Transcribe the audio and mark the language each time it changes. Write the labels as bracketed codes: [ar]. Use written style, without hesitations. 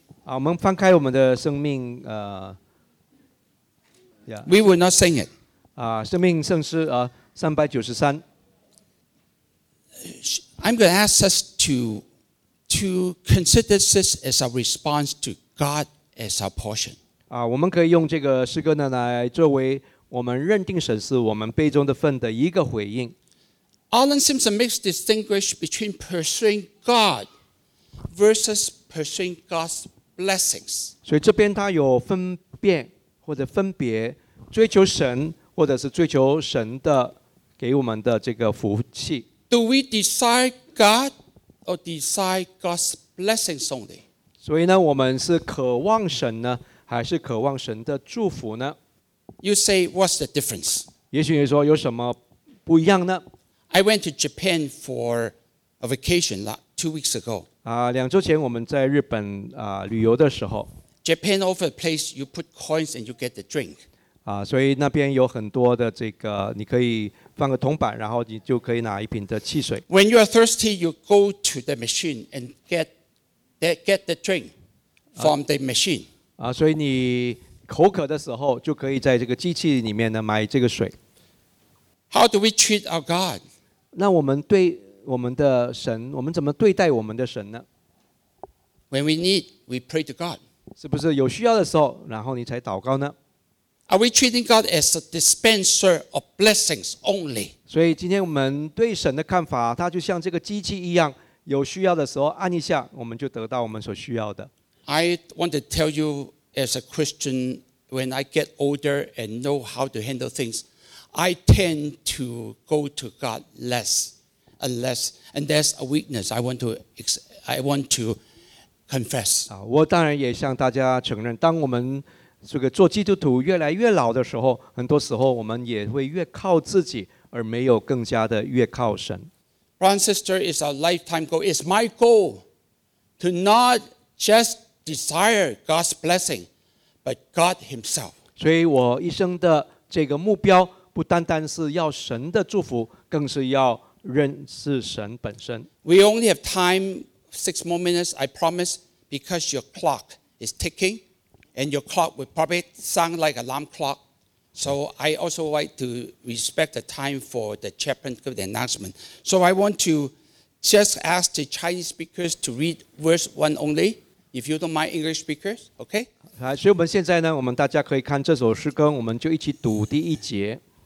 [zh] 我们翻开我们的生命 [en] yeah. We will not sing it. [zh] 生命圣诗393. [en] I'm going to ask us to consider this as a response to God as our portion. [zh] 我们可以用这个诗歌呢来作为我们认定神是我们杯中的份的一个回应。 [en] Alan Simpson makes distinguish between pursuing God versus pursuing God's blessings. [zh] 所以这边他有分辨或者分别，追求神或者是追求神的给我们的这个福气。 [en] Do we desire God or desire God's blessings only? [zh] 所以呢，我们是渴望神呢，还是渴望神的祝福呢 [en] ？You say what's the difference? [zh] 也许你说有什么不一样呢？ [en] I went to Japan for a vacation 2 weeks ago. [zh] 两周前我们在日本旅游的时候。 [en] Japan offers a place you put coins and you get the drink. [zh] 所以那边有很多的这个，你可以放个铜板，然后你就可以拿一瓶的汽水。 [en] When you are thirsty, you go to the machine and get the drink from the machine. [zh] 所以你口渴的时候就可以在这个机器里面呢买这个水。 [en] How do we treat our God? [zh] 那我们对我们的神，我们怎么对待我们的神呢 [en] ？When we need, we pray to God. [zh] 是不是有需要的时候，然后你才祷告呢 [en] ？Are we treating God as a dispenser of blessings only? [zh] 所以今天我们对神的看法，它就像这个机器一样，有需要的时候按一下，我们就得到我们所需要的。 [en] I want to tell you as a Christian, when I get older and know how to handle things. I tend to go to God less, and that's a weakness I want to confess. [zh] 我当然也向大家承认，当我们这个做基督徒越来越老的时候，很多时候我们也会越靠自己，而没有更加的越靠神。 [en] Brother and sister, it's a lifetime goal. It's my goal to not just desire God's blessing, but God Himself. [zh] 所以我一生的这个目标。不单单是要神的祝福，更是要认识神本身。 [en] We only have time 6 more minutes, I promise, because your clock is ticking, and your clock will probably sound like an alarm clock. So I also like to respect the time for the chaplain give the announcement. So I want to just ask the Chinese speakers to read verse 1 only, if you don't mind English speakers, okay? [zh] 所以我们现在呢，我们大家可以看这首诗歌，我们就一起读第一节。